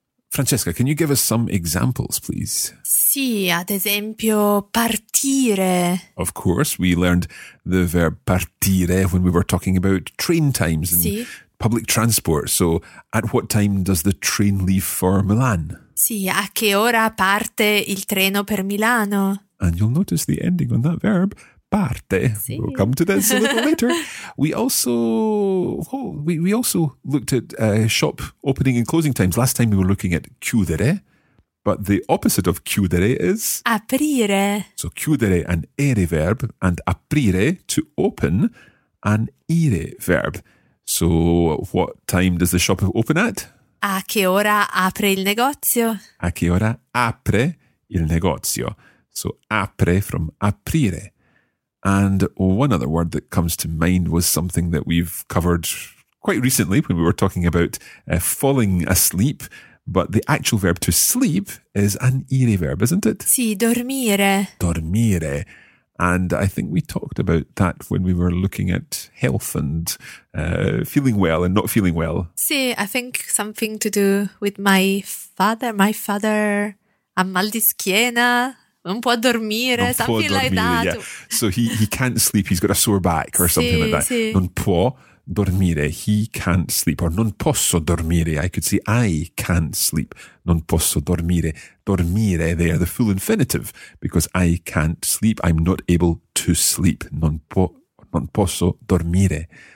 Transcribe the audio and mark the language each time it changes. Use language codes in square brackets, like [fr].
[en] Francesca, can you give us some examples, please? [it] Sì, ad esempio, partire. [en] Of course, we learned the verb partire when we were talking about train times and public transport. So, at what time does the train leave for Milan? [it] Sì, a che ora parte il treno per Milano? [en] And you'll notice the ending on that verb, parte. Sì. We'll come to this a little later. We also looked at shop opening and closing times. Last time we were looking at chiudere, but the opposite of chiudere is [it] aprire. [en] So chiudere, an ere verb, and aprire, to open, an ire verb. So what time does the shop open at? [it] A che ora apre il negozio? A che ora apre il negozio? [en] So apre from aprire. And one other word that comes to mind was something that we've covered quite recently when we were talking about falling asleep. But the actual verb to sleep is an ire verb, isn't it? [it] Sì, dormire. Dormire. [en] And I think we talked about that when we were looking at health and feeling well and not feeling well. Sì, I think something to do with my father. My father [it] ha mal di schiena. Non può dormire. [en] Yeah. So he can't sleep. He's got a sore back or something like that. [it] Sì. Non può dormire. [en] He can't sleep. Or [it] non posso dormire. [en] I could say I can't sleep. [it] Non posso dormire. [en] Dormire, they are the full infinitive. Because I can't sleep. I'm not able to sleep. [it] Non posso dormire.